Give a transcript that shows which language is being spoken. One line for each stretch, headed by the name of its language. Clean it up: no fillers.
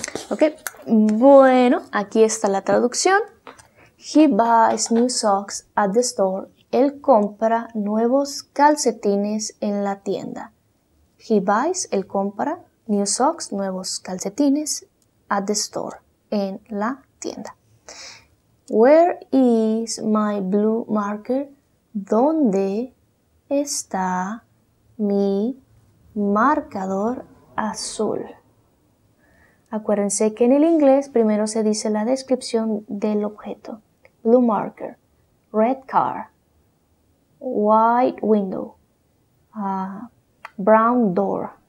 Spanish: Okay. Bueno, aquí está la traducción.
English: He buys new socks at the store.
Spanish: Él compra nuevos calcetines en la tienda.
English: He buys,
Spanish: él compra
English: new socks,
Spanish: nuevos calcetines
English: at the store,
Spanish: en la tienda.
English: Where is my blue marker?
Spanish: ¿Dónde está mi marcador azul? Acuérdense que en el inglés primero se dice la descripción del objeto.
English: Blue marker, red car, white window, brown door.